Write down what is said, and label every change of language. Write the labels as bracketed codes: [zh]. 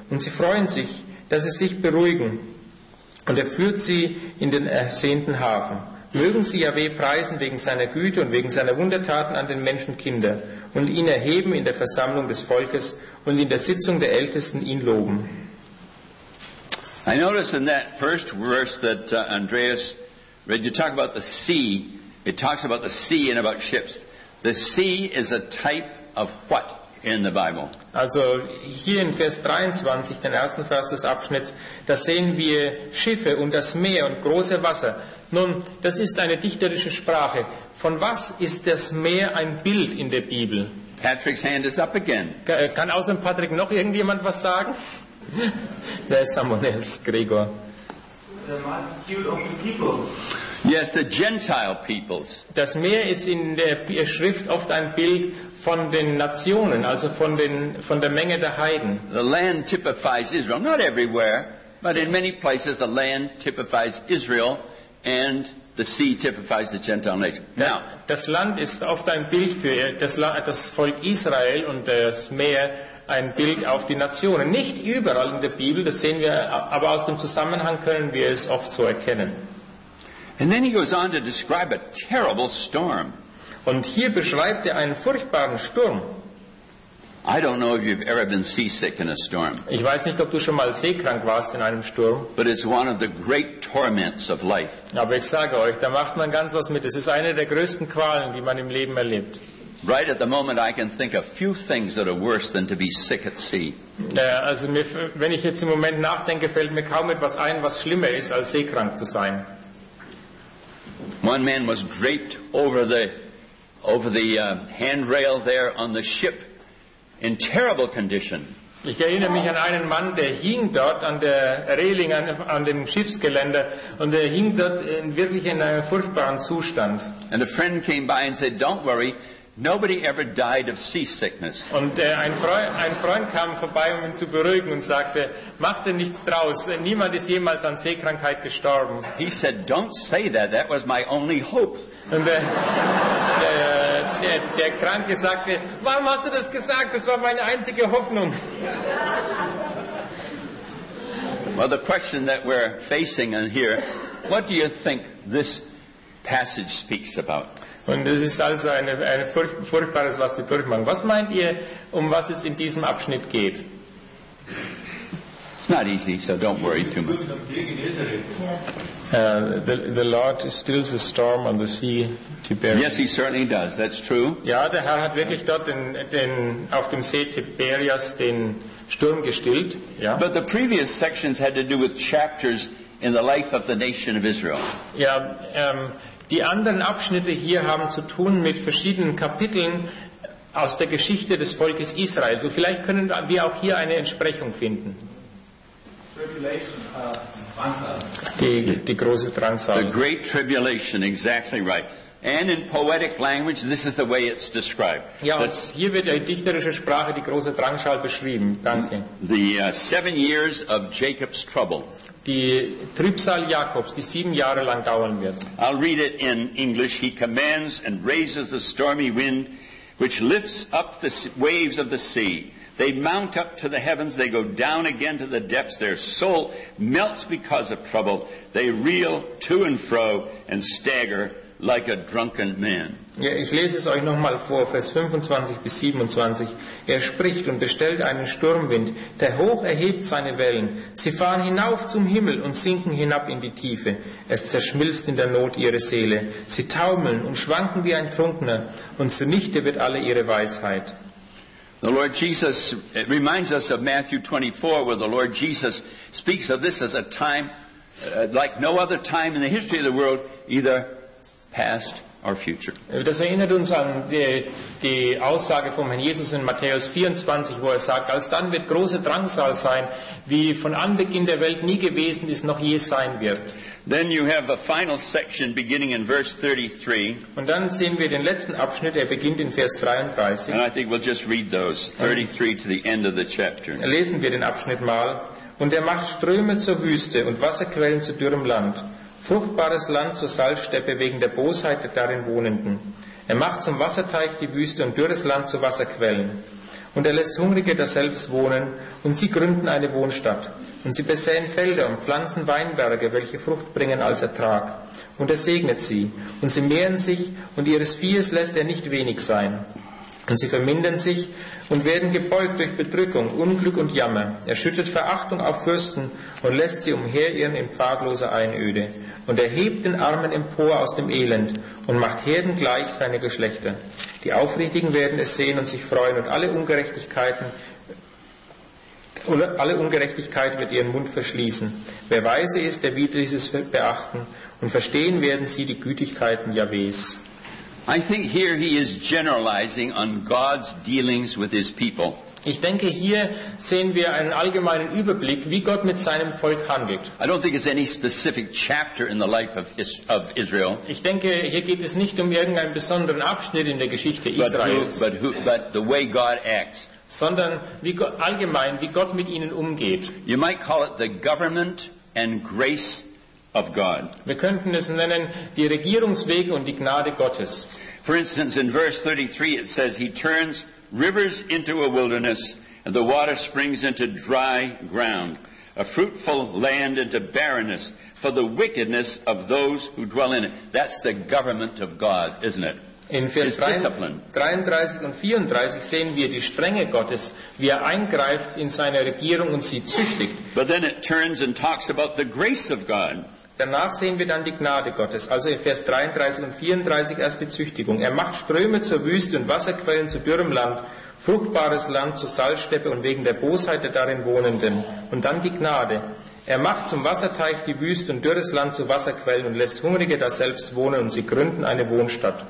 [de] Und sie freuen sich, dass sie sich beruhigen. Und er führt sie in den ersehnten Hafen. Mögen sie Jahweh preisen wegen seiner Güte und wegen seiner Wundertaten an den Menschenkinder und ihn erheben in der Versammlung des Volkes und in der Sitzung der Ältesten ihn loben. [en] I notice in that first verse that Andreas read, you talk about the sea. It talks about the sea and about ships. The sea is a type of what in the Bible? [de] Also hier in Vers 23, den ersten Vers des Abschnitts, da sehen wir Schiffe und das Meer und große Wasser. Nun, das ist eine dichterische Sprache. Von was ist das Meer ein Bild in der Bibel? [en] Patrick's hand is up again. [de] Kann außer Patrick noch irgendjemand was sagen? [en] There's someone else, Gregor. The multitude of the people. Yes, the Gentile peoples. [de] Das Meer ist in der Schrift oft ein Bild von den Nationen, also von der Menge der Heiden. [en] The land typifies Israel. Not everywhere, but in many places the land typifies Israel. And the sea typifies the Gentile nation. [de] Now, das Land ist oft ein Bild für das Volk Israel und das Meer ein Bild auf die Nationen. Nicht überall in der Bibel, das sehen wir, aber aus dem Zusammenhang können wir es oft so erkennen. [en] And then he goes on to describe a terrible storm. [de] Und hier beschreibt er einen furchtbaren Sturm. [en] I don't know if you've ever been seasick in a storm. [de] Ich weiß nicht, ob du schon mal seekrank warst in einem Sturm. [en] But it's one of the great torments of life. [de] Aber ich sage euch, da macht man ganz was mit. Es ist eine der größten Qualen, die man im Leben erlebt. [en] Right at the moment I can think of few things that are worse than to be sick at sea. [de] Also wenn ich jetzt im Moment nachdenke, fällt mir kaum etwas ein, was schlimmer ist als seekrank zu sein. [en] One man was draped over the handrail there on the ship. In terrible condition. [de] Ich erinnere mich an einen Mann, der hing dort an der Reling, an dem Schiffsgeländer, und er hing dort wirklich in einem furchtbaren Zustand. [en] And a friend came by and said, "Don't worry, nobody ever died of seasickness." [de] Und ein Freund kam vorbei, um ihn zu beruhigen, und sagte, "Mach dir nichts draus, niemand ist jemals an Seekrankheit gestorben." [en] He said, "Don't say that. That was my only hope." [de] Und der Kranke sagte, warum hast du das gesagt? Das war meine einzige Hoffnung. [en] Well, the question that we're facing here, what do you think this passage speaks about? [de] Und es ist also eine furchtbares, was die durchmachen. Was meint ihr, um was es in diesem Abschnitt geht? [en] It's not easy, so don't worry too much. The Lord stills a storm on the sea to Tiberias. Yes, he certainly does. That's true. [de] Ja, der Herr hat wirklich dort auf dem See Tiberias den Sturm gestillt. Ja. [en] But the previous sections had to do with chapters in the life of the nation of Israel. [de] Ja, die anderen Abschnitte hier haben zu tun mit verschiedenen Kapiteln aus der Geschichte des Volkes Israel. So vielleicht können wir auch hier eine Entsprechung finden. Die große Drangsal. [en] The great tribulation, exactly right. And in poetic language, this is the way it's described. [de] Ja, hier wird in dichterischer Sprache die große Drangsal beschrieben. Danke. [en] The 7 years of Jacob's trouble. [de] Die Trübsal Jakobs, die 7 Jahre lang dauern wird. [en] I'll read it in English. He commands and raises the stormy wind, which lifts up the waves of the sea. They mount up to the heavens, they go down again to the depths, their soul melts because of trouble, they reel to and fro and stagger like a drunken man. [de] Ja, ich lese es euch nochmal vor, Vers 25 bis 27. Er spricht und bestellt einen Sturmwind, der hoch erhebt seine Wellen. Sie fahren hinauf zum Himmel und sinken hinab in die Tiefe. Es zerschmilzt in der Not ihre Seele. Sie taumeln und schwanken wie ein Trunkener, und zunichte wird alle ihre Weisheit. [en] The Lord Jesus, it reminds us of Matthew 24, where the Lord Jesus speaks of this as a time like no other time in the history of the world, either past or future. [de] Das erinnert uns an die Aussage von Herrn Jesus in Matthäus 24, wo er sagt, als dann wird große Drangsal sein, wie von Anbeginn der Welt nie gewesen ist, noch je sein wird. Then you have a final section beginning in verse 33. Und dann sehen wir den letzten Abschnitt, er beginnt in Vers 33. And I think we'll just read those, 33 to the end of the chapter. Lesen wir den Abschnitt mal. Und er macht Ströme zur Wüste und Wasserquellen zu dürrem Land, fruchtbares Land zur Salzsteppe wegen der Bosheit der darin Wohnenden. Er macht zum Wasserteich die Wüste und dürres Land zu Wasserquellen. Und er lässt Hungrige daselbst wohnen, und sie gründen eine Wohnstadt. Und sie besäen Felder und pflanzen Weinberge, welche Frucht bringen als Ertrag. Und er segnet sie, und sie mehren sich, und ihres Viehes lässt er nicht wenig sein. Und sie vermindern sich und werden gebeugt durch Bedrückung, Unglück und Jammer. Er schüttet Verachtung auf Fürsten und lässt sie umherirren in pfadloser Einöde. Und er hebt den Armen empor aus dem Elend und macht Herden gleich seine Geschlechter. Die Aufrichtigen werden es sehen und sich freuen, und alle Ungerechtigkeit wird ihren Mund verschließen. Wer weise ist, der wird dieses beachten, und verstehen werden sie die Gütigkeiten Jahwes. [en] I think here he is generalizing on God's dealings with his people. [de] Ich denke, hier sehen wir einen allgemeinen Überblick, wie Gott mit seinem Volk handelt. [en] I don't think it's any specific chapter in the life of Israel. [de] Ich denke, hier geht es nicht um irgendeinen besonderen Abschnitt in der Geschichte Israels. [en] But the way God acts. [de] Sondern wie Gott, allgemein, wie Gott mit ihnen umgeht. [en] You might call it the government and grace of God. [de] Wir könnten es nennen die Regierungswege und die Gnade Gottes. [en] For instance, in verse 33 it says he turns rivers into a wilderness and the water springs into dry ground, a fruitful land into barrenness for the wickedness of those who dwell in it. That's the government of God, isn't it? [de] In Vers 33 und 34 sehen wir die Strenge Gottes, wie er eingreift in seine Regierung und sie züchtigt. But then it turns and talks about the grace of God. Danach sehen wir dann die Gnade Gottes. Also in Vers 33 und 34 erst die Züchtigung. Er macht Ströme zur Wüste und Wasserquellen zu dürrem Land, fruchtbares Land zur Salzsteppe und wegen der Bosheit der darin Wohnenden. Und dann die Gnade. Er macht zum Wasserteich die Wüste und dürres Land zu Wasserquellen und lässt Hungrige da selbst wohnen und sie gründen eine Wohnstadt.